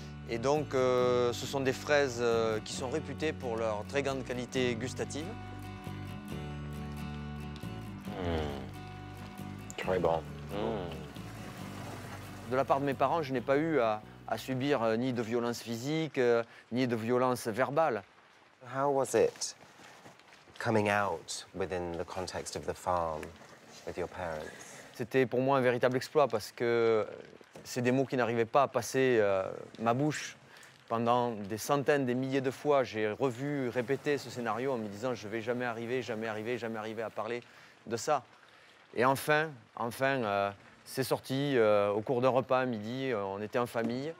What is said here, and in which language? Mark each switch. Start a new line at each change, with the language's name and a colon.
French: Et donc, ce sont des fraises qui sont réputées pour leur très grande qualité gustative. Très bon. De la part de mes parents, je n'ai pas eu à subir ni de violence physique, ni de violence verbale.
English: How was it coming out within the context of the farm with your parents?
French: C'était pour moi un véritable exploit parce que c'est des mots qui n'arrivaient pas à passer ma bouche. Pendant des centaines, des milliers de fois, j'ai revu, répété ce scénario en me disant « je vais jamais arriver, jamais arriver, jamais arriver à parler de ça ». Et enfin, c'est sorti au cours d'un repas à midi, on était en famille.